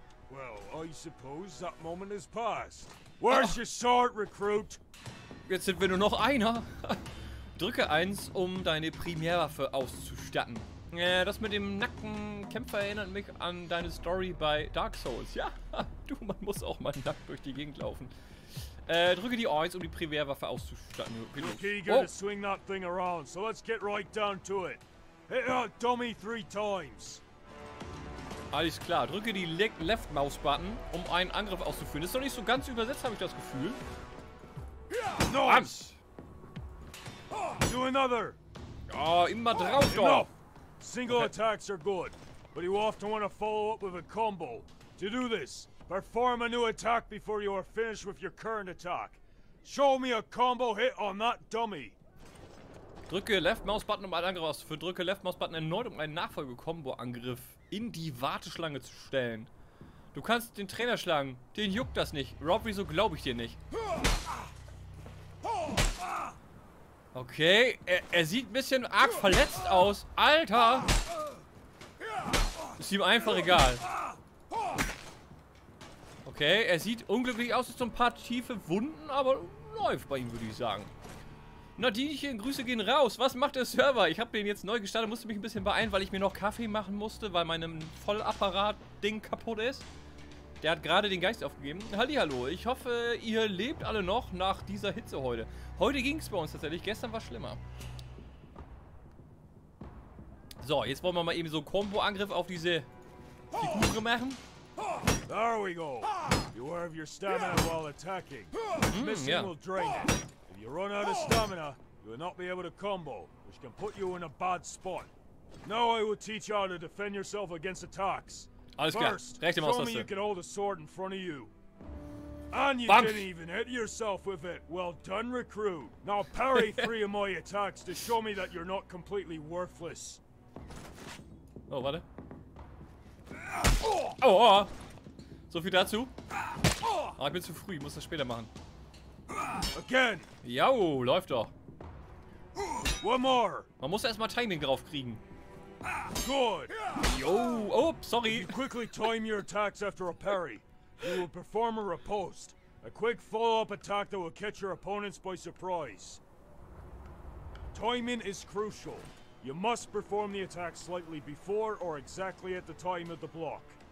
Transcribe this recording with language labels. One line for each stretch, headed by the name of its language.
English: Well, I suppose that moment is past. Where's your sword, recruit?
German: Jetzt sind wir nur noch einer. Drücke 1, um deine Primärwaffe auszustatten. Das mit dem nackten Kämpfer erinnert mich an deine Story bei Dark Souls. Ja, du, man muss auch mal nackt durch die Gegend laufen. Drücke die 1, um die Primärwaffe auszustatten.
English: Okay, you gotta swing that thing around, so let's get right down to it. Hit that dummy 3 times.
German: Alles klar, drücke die Left-Maus-Button, um einen Angriff auszuführen. Das ist doch nicht so ganz übersetzt, habe ich das Gefühl.
English: Nice. Mann. Do another.
German: Oh, immer drauf, doch.
English: Enough. Single okay. Attacks are good, but you often want to follow up with a combo. To do this, perform a new attack before you are finished with your current attack. Show me a combo hit on that dummy.
German: Drücke Left-Maus-Button, um einen Angriff auszuführen. Drücke Left-Maus-Button erneut, um einen Nachfolge-Combo-Angriff in die Warteschlange zu stellen. Du kannst den Trainer schlagen. Den juckt das nicht. Rob, wieso glaube ich dir nicht? Okay, er sieht ein bisschen arg verletzt aus. Alter! Ist ihm einfach egal. Okay, er sieht unglücklich aus. Ist so ein paar tiefe Wunden, aber läuft bei ihm, würde ich sagen. Nadinchen, Grüße gehen raus. Was macht der Server? Ich habe den jetzt neu gestartet, musste mich ein bisschen beeilen, weil ich mir noch Kaffee machen musste, weil meinem Vollapparat-Ding kaputt ist. Der hat gerade den Geist aufgegeben. Hallihallo, ich hoffe, ihr lebt alle noch nach dieser Hitze heute. Heute ging es bei uns tatsächlich, gestern war es schlimmer. So, jetzt wollen wir mal eben so einen Kombo-Angriff auf diese Figuren machen.
English: There we go. You have your stamina while attacking. Missing will drain it. If you run out of stamina, you will not be able to combo, which can put you in a bad spot. Now I will teach you how to defend yourself against attacks.
German: Alles
English: first,
German: klar. Rechte Maustaste.
English: Show me you can hold a sword in front of you. And you didn't even hit yourself with it. Well done, recruit. Now parry 3 of my attacks to show me that you're not completely worthless.
German: Oh, warte. Oh, oh. So viel dazu. Oh, ich bin zu früh, ich muss das später machen.
English: Again.
German: Jau, läuft doch.
English: One more.
German: Man muss erstmal Timing drauf kriegen.
English: Good. Yo, oh, sorry. You quickly time your attacks after a parry. You will perform a riposte. A quick follow-up attack that will catch your opponents by surprise. Timing is crucial. You must perform the attack slightly before or exactly at the time of the block.